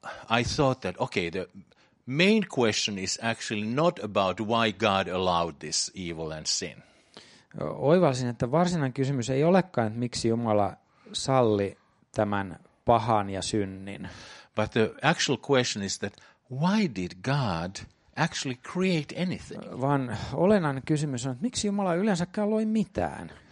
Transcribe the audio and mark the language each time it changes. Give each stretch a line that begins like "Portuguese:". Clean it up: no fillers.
English: I thought that okay, the main question is actually not about why God allowed this evil and sin.
Finnish: Oivalsin, että varsinainen kysymys ei olekaan, että miksi Jumala salli tämän pahan ja synnin.
English: But the actual question is that why did God actually create anything?
Finnish: Vaan olennainen kysymys on, että miksi Jumala yleensäkään loi mitään.